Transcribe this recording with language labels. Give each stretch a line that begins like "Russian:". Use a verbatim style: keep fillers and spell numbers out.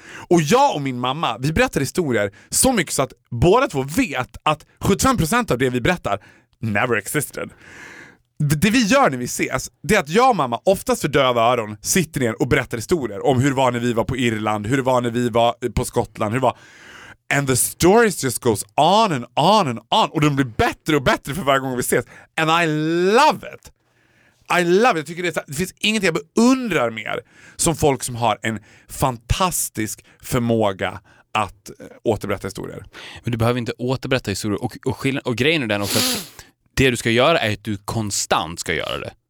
Swedish: Och jag och min mamma, vi berättar historier så mycket så att båda två vet att sjuttiofem procent av det vi berättar
English: never existed.
Swedish: Det vi gör när vi ses, det är att jag och mamma oftast för döva öron sitter ner och berättar historier om hur det var när vi var på Irland, hur det var när vi var på Skottland, hur det var...
English: And the stories just goes on and on and on.
Swedish: Och de blir bättre och bättre för varje gång vi ses.
English: And I love it! I love it.
Swedish: Jag tycker det, är, det finns inget jag beundrar mer som folk som har en fantastisk förmåga att återberätta historier. Men du behöver inte återberätta historier. Och, och, skillnad, och grejen är den också att det du ska göra är att du konstant ska göra det.